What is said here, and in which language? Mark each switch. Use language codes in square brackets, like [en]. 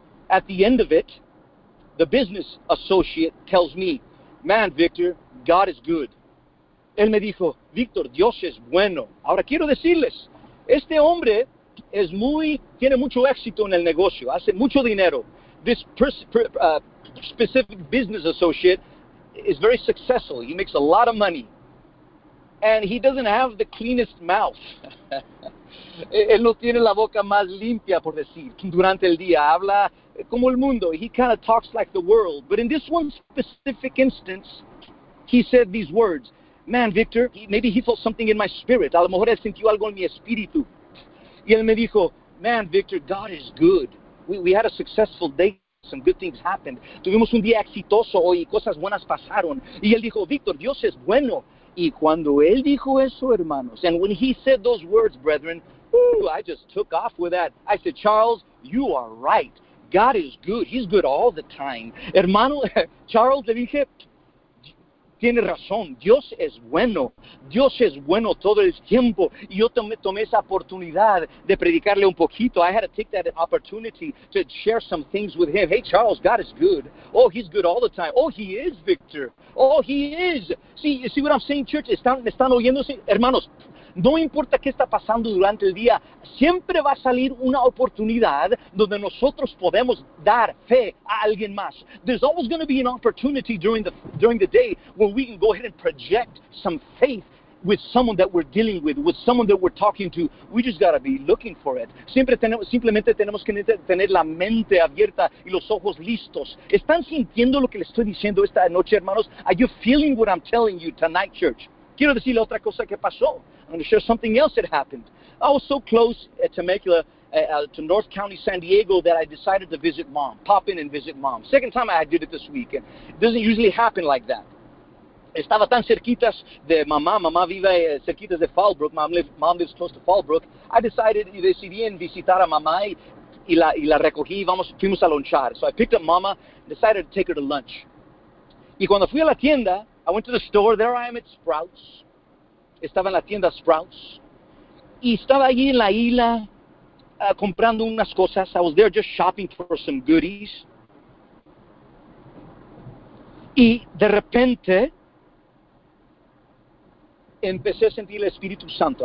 [en] At the end of it, the business associate tells me, man, Victor, God is good. [es] Él me dijo, Victor, Dios es bueno. Ahora quiero decirles, este hombre es muy, tiene mucho éxito en el negocio, hace mucho dinero. [en] This specific business associate is very successful. He makes a lot of money. And he doesn't have the cleanest mouth. [es] Él no tiene la boca más limpia, por decir, durante el día. Habla como el mundo. [en] He kind of talks like the world. But in this one specific instance, he said these words. Man, Victor, maybe he felt something in my spirit. [es] A lo mejor él sintió algo en mi espíritu. Y él me dijo, [en] man, Victor, God is good. We had a successful day. Some good things happened. [es] Tuvimos un día exitoso hoy y cosas buenas pasaron. Y él dijo, Victor, Dios es bueno. Y cuando él dijo eso, hermanos, [en] and when he said those words, brethren, ooh, I just took off with that. I said, Charles, you are right. God is good. He's good all the time. [es] Hermano, Charles, le dije, tiene razón. Dios es bueno. Dios es bueno todo el tiempo. Y yo tomé esa oportunidad de predicarle un poquito. [en] I had to take that opportunity to share some things with him. Hey, Charles, God is good. Oh, he's good all the time. Oh, he is, Victor. Oh, he is. See, you see what I'm saying, church? [es] ¿Están oyendo? Hermanos, no importa qué está pasando durante el día, siempre va a salir una oportunidad donde nosotros podemos dar fe a alguien más. [en] There's always going to be an opportunity during the day where we can go ahead and project some faith with someone that we're dealing with someone that we're talking to. We just got to be looking for it. [es] Simplemente tenemos que tener la mente abierta y los ojos listos. ¿Están sintiendo lo que les estoy diciendo esta noche, hermanos? [en] Are you feeling what I'm telling you tonight, church? [es] Quiero decirle otra cosa que pasó. [en] I'm going to share something else that happened. I was so close at Temecula, to North County, San Diego, that I decided to visit mom, pop in and visit mom. Second time I did it this week, and it doesn't usually happen like that. [es] estaba tan cerquitas de mamá, mamá vive cerquitas de Fallbrook, [en] mom lives close to Fallbrook, [es] decidí en visitar a mamá y la recogí, fuimos a lunchar. [en] So I picked up mama, decided to take her to lunch. [es] Y cuando fui a la tienda, [en] I went to the store, there I am at Sprouts. [es] Estaba en la tienda Sprouts. Y estaba allí en la isla comprando unas cosas. [en] I was there just shopping for some goodies. [es] Y de repente, empecé a sentir el Espíritu Santo.